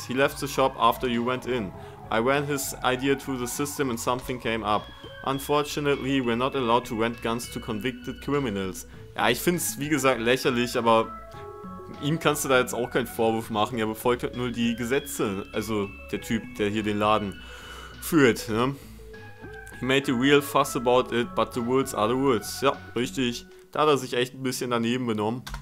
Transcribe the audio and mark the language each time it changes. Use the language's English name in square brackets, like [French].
[English] He left the shop after you went in. I ran his idea through the system and something came up. Unfortunately, we're not allowed to rent guns to convicted criminals. [German] Ja, ich find's, wie gesagt, lächerlich, aber ihm kannst du da jetzt auch keinen Vorwurf machen. Er befolgt halt nur die Gesetze. Also, der Typ, der hier den Laden führt, ne? [English] He made a real fuss about it, but the rules are the rules. [German] Ja, richtig. Da hat er sich echt ein bisschen daneben benommen.